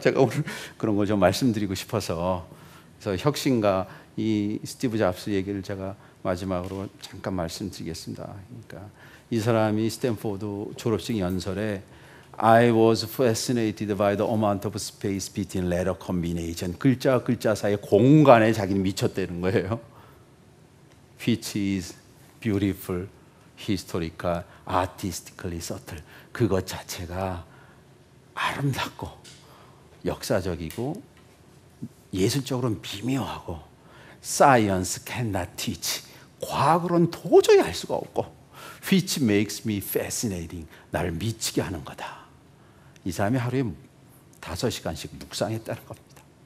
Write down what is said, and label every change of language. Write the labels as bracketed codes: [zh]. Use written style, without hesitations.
[ko] 제가 오늘 그런 걸 좀 말씀드리고 싶어서 그래서 혁신가 이 스티브 잡스 얘기를 제가 마지막으로 잠깐 말씀드리겠습니다. 그러니까. 이 사람이 스탠포드 졸업식 연설에 [en] I was fascinated by the amount of space between letter combination. [ko] 글자와 글자 사이의 공간에 자기는 미쳤다는 거예요. [en] Which is beautiful, historical, artistically subtle. [ko] 그것 자체가 아름답고 역사적이고 예술적으로 미묘하고 [en] science cannot teach. [ko] 과학으로는 도저히 알 수가 없고 [en] Which makes me fascinating. [ko] 나를 미치게 하는 거다. 이 사람이 하루에 5시간씩 묵상했다는 겁니다.